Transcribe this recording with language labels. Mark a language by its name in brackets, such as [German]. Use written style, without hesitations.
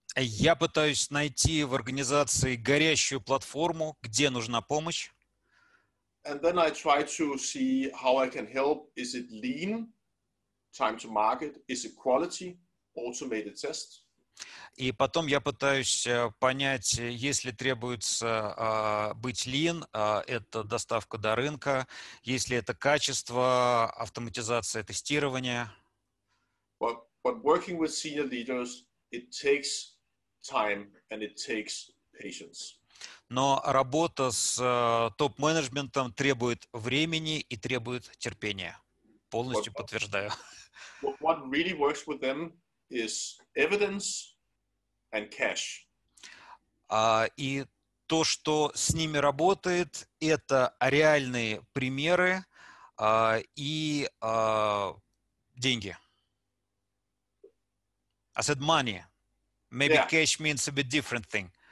[Russian] Я пытаюсь найти в организации горящую платформу, где нужна помощь. [English] And then I try to see how I can help. Is it lean, time to market? Is it quality, automated tests? [Russian] И потом я пытаюсь понять, если требуется быть lean, это доставка до рынка, если это качество, автоматизация, тестирование. [English] But working with senior leaders, it takes time and it takes patience. [Russian] Но работа с топ-менеджментом требует времени и требует терпения. Полностью подтверждаю. [English] What really works with them is evidence and cash. [Russian] И то, что с ними работает, это реальные примеры и деньги. [English] I said money. Maybe yeah. Cash means a bit different thing.